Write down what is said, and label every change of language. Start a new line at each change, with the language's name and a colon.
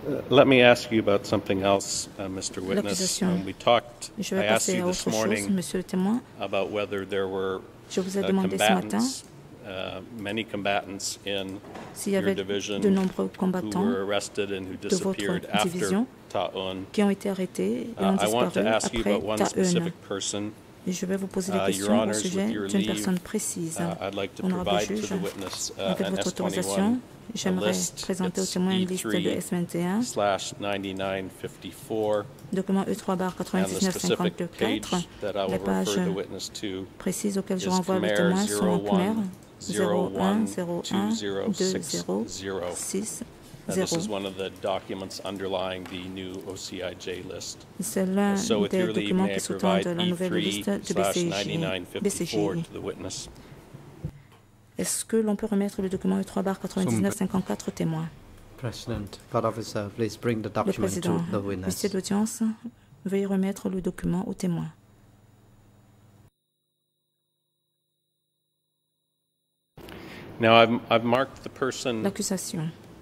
English: Let me ask you about something else, Mr. Witness. We talked, I asked you this morning, about whether there were combatants, many combatants in your division
French: de nombreux combattants
English: who were arrested and who disappeared after Ta-un.
French: Qui ont été arrêtés et ont disparu après Ta-un. Je vais vous poser des questions au sujet d'une personne précise. Honorable juge, avec votre autorisation, j'aimerais présenter au témoin une liste de S21, document E3-8954, les pages précises auxquelles je renvoie le témoin sont en Khmer 01012060.
English: This is one of the documents underlying the new OCIJ list.
French: C'est l'un des documents qui sous-tendent la nouvelle liste de BCJ. Est-ce que l'on peut remettre le document E3-9954 au témoin?
English: President, Officer, please bring the document to the witness.
French: Monsieur l'audience, Veuillez remettre le document au témoin.
English: Now I've marked the person.
French: L'accusation.